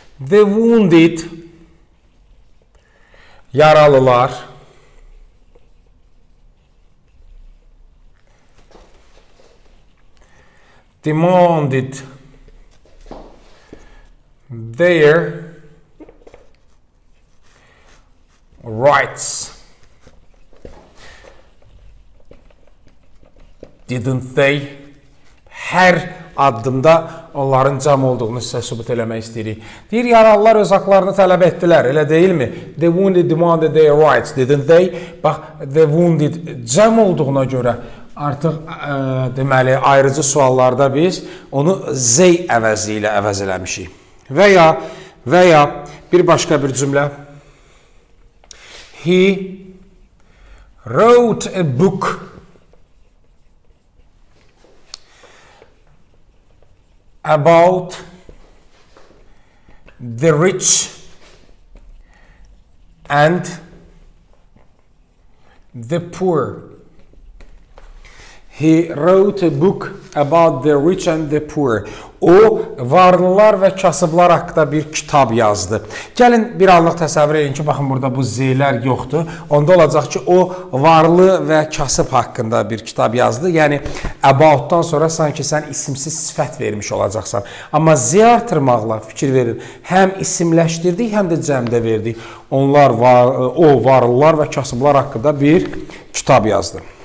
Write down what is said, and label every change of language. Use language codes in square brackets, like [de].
[en] The wounded, [az] yaralılar, [en] demanded their rights, didn't they? [az] Hər addımda onların cam olduğunu sizə sübut eləmək istəyirik. Deyir, yaralılar öz haqlarını tələb etdilər, elə deyilmi? [en] The wounded demanded their rights, didn't they? [az] Bax, [en] the wounded [az] cam olduğuna görə artıq, deməli, ayrıcı suallarda biz onu they əvəzi ilə əvəz eləmişik. Və ya [tr] Veya bir başka bir cümle. [en] He wrote a book. About the rich and the poor. He wrote a book about the rich and the poor. [az] O varlılar ve kasıblar haqqında bir kitab yazdı. Gəlin bir anlıq təsəvvür edin ki, baxın burada bu z-lər yoxdur. Onda olacaq ki, o varlı ve kasıb haqqında bir kitab yazdı. Yəni about-dan sonra sanki sən isimsiz sifət vermiş olacaqsan. Amma z artırmaqla fikir verir. Həm isimləşdirdik, həm də cəmdə verdik. Onlar var, o varlılar ve kasıblar haqqında bir kitab yazdı.